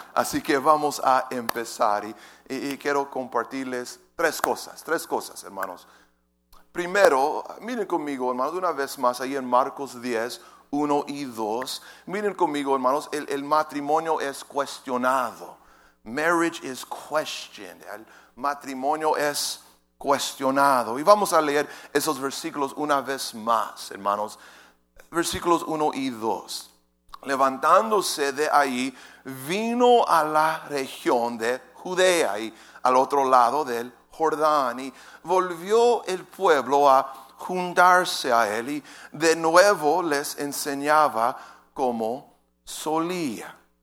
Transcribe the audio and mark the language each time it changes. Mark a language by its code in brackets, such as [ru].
[es] Así que vamos a empezar y quiero compartirles tres cosas, hermanos. Primero, miren conmigo, hermanos, una vez más, ahí en Marcos 10, 1 y 2. Miren conmigo, hermanos, el matrimonio es cuestionado. [en] Marriage is questioned. [es] El matrimonio es cuestionado. Y vamos a leer esos versículos una vez más, hermanos. Versículos 1 y 2. Levantándose de ahí, vino a la región de Judea y al otro lado del Jordán, y volvió el pueblo a juntarse a él, y de nuevo les enseñaba como solía.